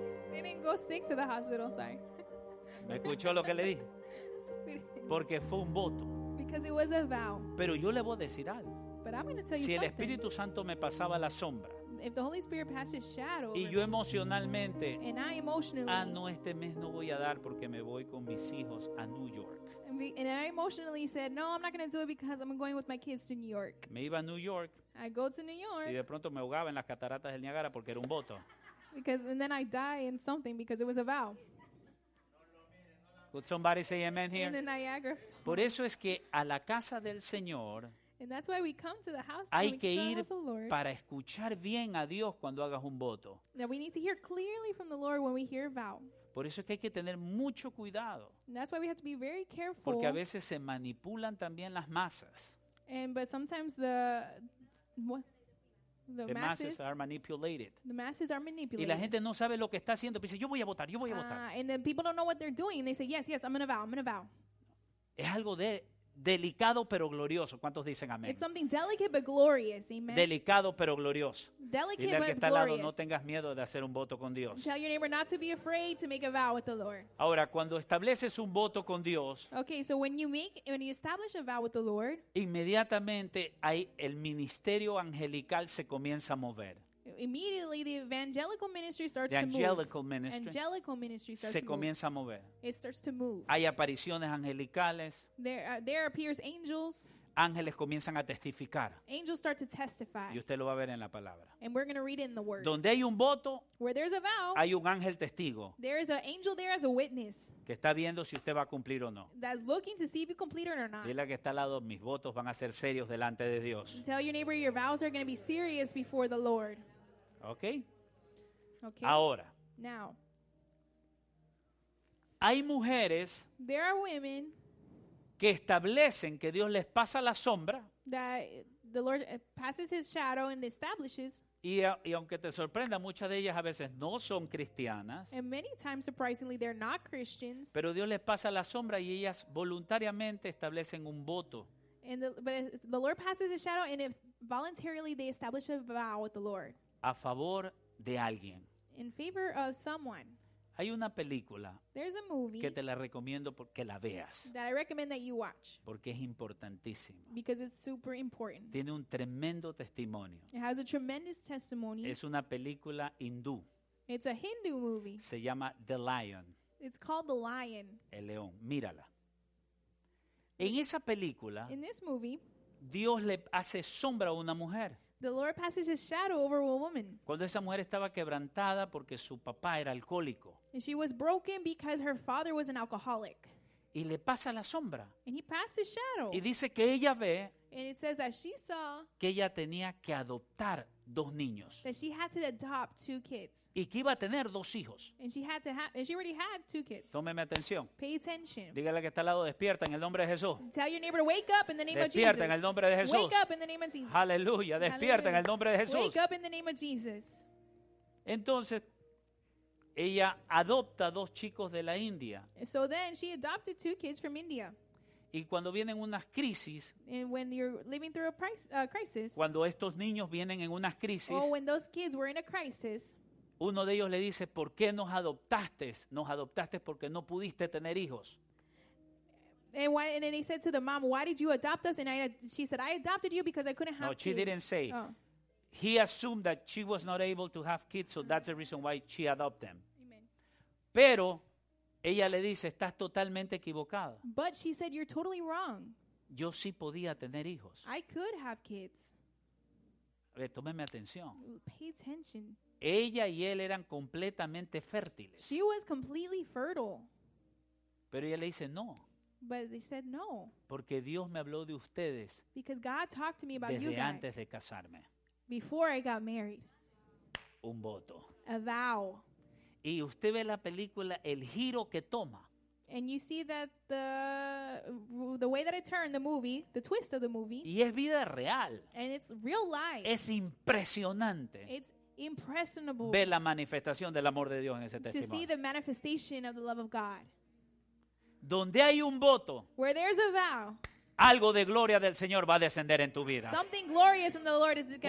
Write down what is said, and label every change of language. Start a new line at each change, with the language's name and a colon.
English: We didn't go sick to the hospital, sorry.
Spanish: ¿Me escuchó lo que le dije? Porque fue un voto.
English: Because it was a vow.
Spanish: Pero yo le voy a decir algo.
English: But I'm going to tell you
Spanish: si el Espíritu Santo me pasaba la sombra,
English: if the Holy Spirit passes shadow,
Spanish: y yo emocionalmente,
English: and I emotionally,
Spanish: ah, no, este mes no voy a dar porque me voy con mis hijos a New York.
English: And I emotionally said, no, I'm not going to do it because I'm going with my kids to New York.
Spanish: Me iba a New York.
English: I go to New York.
Spanish: Y de pronto me ahogaba en las cataratas del Niágara porque era un voto.
English: Because and then I die in something because it was a vow. Could somebody say amen here? In the Niagara Falls.
Spanish: Por eso es que a la casa del Señor.
English: And that's why we come to the house.
Spanish: Hay que ir para escuchar bien a Dios cuando hagas un voto.
English: Now we need to hear clearly from the Lord when we hear a vow.
Spanish: Por eso es que hay que tener mucho cuidado.
English: And that's why we have to be very careful.
Spanish: Porque a veces se manipulan también las masas.
English: And but sometimes the masses are manipulated. The masses are manipulated.
Spanish: Y la gente no sabe lo que está haciendo. Dice, yo voy a votar.
English: And then people don't know what they're doing. They say, yes, I'm gonna vow.
Spanish: Es algo de delicado pero glorioso. ¿Cuántos dicen amén?
English: It's something delicate but glorious. Amen.
Spanish: Delicado pero glorioso.
English: Delicate
Spanish: dile al que
English: but
Spanish: está
English: glorious.
Spanish: Al lado, no tengas miedo de hacer un voto con Dios.
English: Tell your neighbor not to be afraid to make a vow with the Lord.
Spanish: Ahora, cuando estableces un voto con Dios.
English: Okay, so when you establish a vow with the Lord.
Spanish: Inmediatamente hay el ministerio angelical se comienza a mover.
English: Immediately the evangelical ministry starts the to angelical move. Ministry angelical ministry starts
Spanish: se
English: to
Spanish: comienza
English: move.
Spanish: A mover.
English: It starts to move.
Spanish: Hay apariciones angelicales.
English: There appears angels.
Spanish: Ángeles comienzan a testificar.
English: Angels start to testify.
Spanish: Y usted lo va a ver en la palabra.
English: And we're going to read it in the word.
Spanish: Donde hay un voto,
English: where there's a vow,
Spanish: hay un ángel testigo.
English: There is an angel there as a witness.
Spanish: Que está viendo si usted va a cumplir o no.
English: That's looking to see if you complete it or not.
Spanish: Dile a que está al lado, mis votos van a ser serios delante de Dios.
English: Tell your neighbor your vows are going to be serious before the Lord. Okay. Okay.
Spanish: Ahora.
English: Now.
Spanish: Hay mujeres.
English: There are women.
Spanish: Que establecen que Dios les pasa la sombra.
English: That the Lord passes his shadow and establishes.
Spanish: Y aunque te sorprenda, muchas de ellas a veces no son cristianas.
English: And many times, surprisingly, they're not Christians.
Spanish: Pero Dios les pasa la sombra y ellas voluntariamente establecen un voto.
English: And the Lord passes his shadow and voluntarily they establish a vow with the Lord.
Spanish: A favor de alguien.
English: In favor of someone.
Spanish: Hay una película
English: movie
Spanish: que te la recomiendo porque la veas.
English: That I recommend that you watch.
Spanish: Porque es importantísima.
English: Because it's super important.
Spanish: Tiene un tremendo testimonio.
English: It has a tremendous testimony.
Spanish: Es una película hindú.
English: It's a Hindu movie.
Spanish: Se llama The Lion.
English: It's called The Lion.
Spanish: El león, mírala. En esa película,
English: in this movie,
Spanish: Dios le hace sombra a una mujer.
English: The Lord passes his shadow over a woman.
Spanish: Cuando esa mujer estaba quebrantada porque su papá era alcohólico.
English: And she was broken because her father was an alcoholic.
Spanish: Y le pasa la sombra.
English: And he passed his shadow.
Spanish: Y dice que ella ve.
English: And it says that she saw.
Spanish: Que ella tenía que adoptar dos niños.
English: That she had to adopt two kids.
Spanish: Y que iba a tener dos hijos.
English: And she had to have, and she already had two kids.
Spanish: Tómeme atención.
English: Pay attention.
Spanish: Dígale que está al lado, despierta en el nombre de Jesús.
English: Tell your neighbor, wake up in the name
Spanish: despierta
English: of Jesus.
Spanish: Despierta en el nombre de Jesús.
English: Wake up in the name of Jesus.
Spanish: Aleluya, despierta en el nombre de Jesús.
English: Wake up in the name of Jesus.
Spanish: Entonces, ella adopta dos chicos de la India.
English: So then she adopted two kids from India.
Spanish: Y cuando vienen unas crisis,
English: and when you're living through a crisis,
Spanish: cuando estos niños vienen en unas crisis,
English: or when those kids were in a crisis,
Spanish: uno de ellos le dice, ¿por qué nos adoptaste? Nos adoptaste porque no pudiste tener hijos.
English: And, why, and then they said to the mom, why did you adopt us? And I, she said, I adopted you because I couldn't have
Spanish: no,
English: kids. No, she didn't say. Oh. He assumed that she was not able to have kids, so that's the reason why she adopted them. Amen.
Spanish: Pero ella le dice, estás totalmente equivocada.
English: But she said, you're totally wrong.
Spanish: Yo sí podía tener hijos.
English: I could have kids.
Spanish: A ver, tómeme atención.
English: Pay attention.
Spanish: Ella y él eran completamente fértiles.
English: She was completely fertile.
Spanish: Pero ella le dice, no.
English: But they said no.
Spanish: Porque Dios me habló de ustedes.
English: Because God talked to me about
Spanish: desde
English: you guys.
Spanish: Antes de casarme.
English: Before I got married.
Spanish: Un voto.
English: A vow.
Spanish: Y usted ve la película, el giro que toma.
English: And you see that the way that it turned, the movie, the twist of the movie.
Spanish: Y es vida real.
English: And it's real life.
Spanish: Es impresionante.
English: It's impressionable.
Spanish: Ver la manifestación del amor de Dios en ese testimonio.
English: To see the manifestation of the love of God.
Spanish: Donde hay un voto.
English: Where there's a vow.
Spanish: Algo de gloria del Señor va a descender en tu vida.
English: Something glorious from the Lord is going to descend.